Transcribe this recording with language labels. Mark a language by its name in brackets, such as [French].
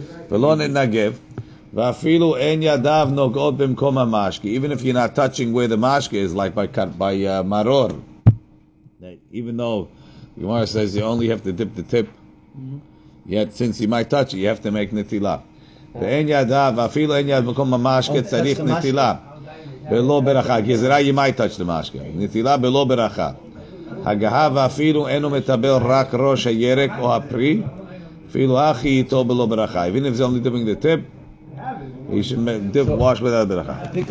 [Hebrew] ולא נתנגב, ואפילו אין ידיו נוגעות במקום המשקי, [English] even if you're not touching where the mashke is, like by maror, even though the Gemara says you only have to dip the tip, yet since you might touch it, you have to make נטילה. [Hebrew] ואין ידיו, ואפילו אין ידיו במקום המשקי, צריך נטילה. בלא ברכה, גזרה [English] you might touch the mashke, [Hebrew] נטילה בלא ברכה. הגהה ואפילו אינו מטבל רק ראש הירק או הפרי, אפילו אחי איתו בלא ברכה. [English] Even if it's only dipping the tip, he should dip, wash without ברכה.